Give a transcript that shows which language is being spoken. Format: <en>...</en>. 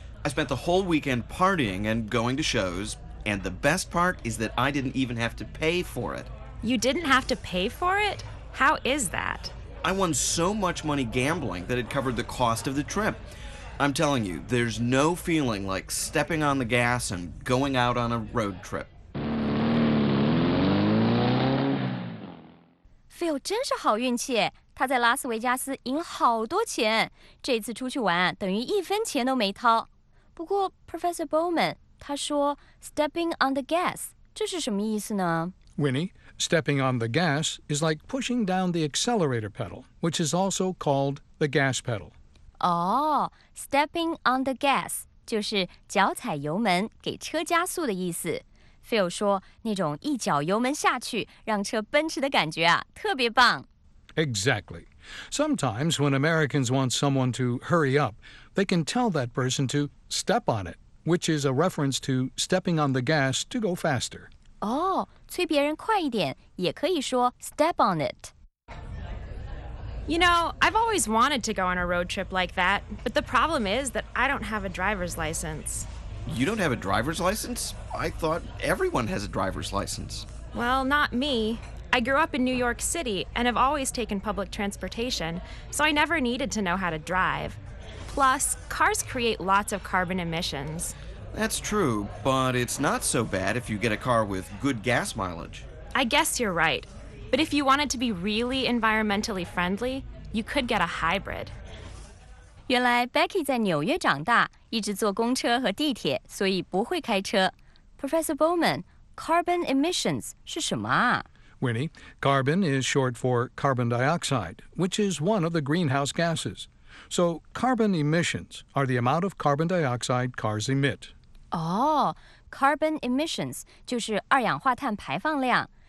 <en>I spent the whole weekend partying and going to shows, and the best part is that I didn't even have to pay for it. You didn't have to pay for it? How is that? I won so much money gambling that it covered the cost of the trip. I'm telling you, there's no feeling like stepping on the gas and going out on a road trip.</en> <zh>Phil 真是好运气，他在拉斯维加斯赢好多钱，这次出去玩等于一分钱都没掏。不过 Professor Bowman 他说</zh> <en>stepping on the gas</en> <zh>这是什么意思呢？</zh> <en>Winnie, stepping on the gas is like pushing down the accelerator pedal, which is also called the gas pedal. Stepping on the gas</en> <zh>就是脚踩油门给车加速的意思。 Phil 说那种一脚油门下去让车奔驰的感觉啊，特别棒。</zh> <en>Exactly. Sometimes when Americans want someone to hurry up, they can tell that person to step on it, which is a reference to stepping on the gas to go faster.</en> <zh>催别人快一点也可以说</zh> <en>step on it. You know, I've always wanted to go on a road trip like that, but the problem is that I don't have a driver's license. You don't have a driver's license? I thought everyone has a driver's license. Well, not me. I grew up in New York City and have always taken public transportation, so I never needed to know how to drive. Plus, cars create lots of carbon emissions. That's true, but it's not so bad if you get a car with good gas mileage. I guess you're right. But if you wanted to be really environmentally friendly, you could get a hybrid.</en> <zh>原来 Becky 在纽约长大，一直坐公车和地铁，所以不会开车。 Professor Bowman,</zh> <en>carbon emissions</en> <zh>是什么啊？</zh> <en>Winnie, carbon is short for carbon dioxide, which is one of the greenhouse gases. So carbon emissions are the amount of carbon dioxide cars emit.</en> <zh>Oh,</zh> <en>carbon emissions</en> <zh>就是二氧化碳排放量。</zh>